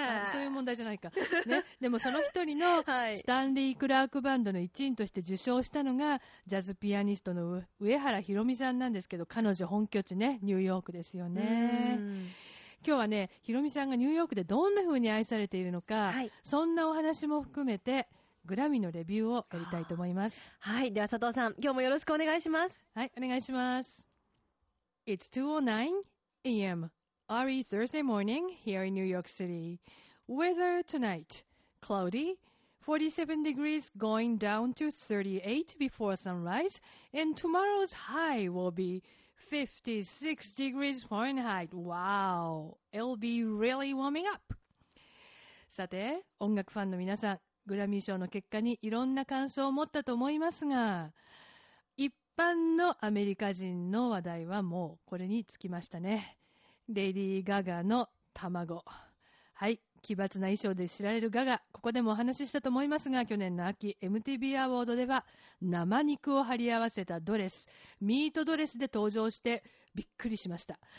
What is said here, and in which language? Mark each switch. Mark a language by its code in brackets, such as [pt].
[ja] そういう問題じゃないか。ね。でもその一人の、スタンリー・クラークバンドの一員として受賞したのが、ジャズピアニストの上原ひろみさんなんですけど、彼女本拠地ね、ニューヨークですよね。今日はね、ひろみさんがニューヨークでどんな風に愛されているのか、はい、そんなお話も含めて、グラミーのレビューをやりたいと思います。はい。では佐藤さん、今日もよろしくお願いします。はい、お願いします。 [en] It's 209 AM。 Sunny Thursday morning here in New York City. Weather tonight, cloudy, 47 degrees going down to 38 before sunrise, and tomorrow's high will be 56 degrees Fahrenheit. Wow! It'll be really warming up! [ja] さて、音楽ファンの皆さん、グラミー賞の結果にいろんな感想を持ったと思いますが、一般のアメリカ人の話題はもうこれにつきましたね。レディーガガの卵。はい、奇抜な衣装で知られるガガ、ここでもお話ししたと思いますが、去年の秋 MTV アワードでは生肉を貼り合わせたドレス、ミートドレスで登場してびっくりしました。